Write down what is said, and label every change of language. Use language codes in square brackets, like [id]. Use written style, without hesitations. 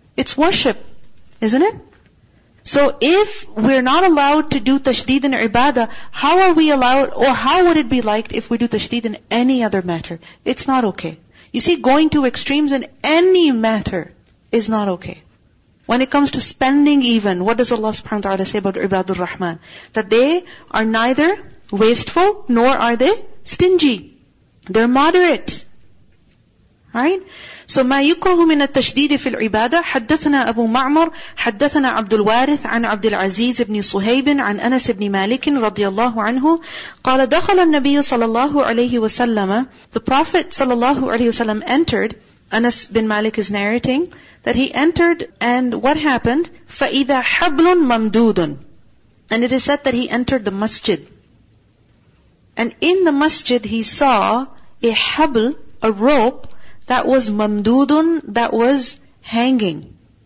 [en] It's worship, isn't it? So if we're not allowed to do تشديد in عبادة, how are we allowed, or how would it be liked if we do تشديد in any other matter? It's not okay. You see, going to extremes in any matter is not okay. When it comes to spending even, what does Allah subhanahu wa ta'ala say about Ibadur Rahman? That they are neither wasteful nor are they stingy. They're moderate. Right? [ar] So ما يكره من التشديد في العبادة حدثنا أبو معمر حدثنا عبد الوارث عن عبد العزيز بن صهيب عن أنس بن مالك رضي الله عنه قال دخل النبي صلى الله عليه وسلم. [en] The Prophet صلى الله عليه وسلم entered. Anas bin Malik is narrating that he entered and what happened? [ar] فَإِذَا حَبْلٌ مَمْدُودٌ. [en] And it is said that he entered the masjid. And in the masjid he saw a habl, a rope, that was mamdudun, that was hanging.